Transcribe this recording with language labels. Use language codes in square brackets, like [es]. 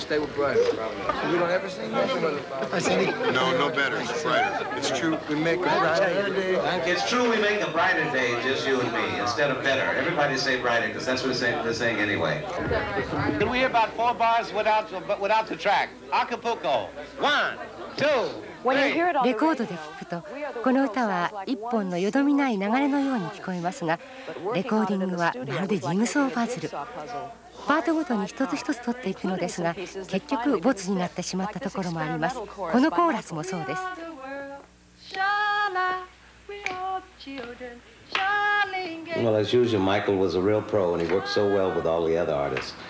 [en] Stay with brighter. So we don't ever sing nothing but no, no better. It's brighter. It's true. We make a brighter day. It's true we make a brighter day, just you and me, instead of better. Everybody say brighter, because that's what they're saying anyway. Can we hear about four bars without the track? Acapulco. One. [ja] レコードで聞くとこの歌は一本のよどみない流れのように聞こえますが、レコーディングはまるでジグソーパズル。パートごとに一つ一つ取っていくのですが、結局ボツになってしまったところもあります。このコーラスもそうです。 [en] Well, as usual, Michael was a real pro, and he worked so well with all the other artists.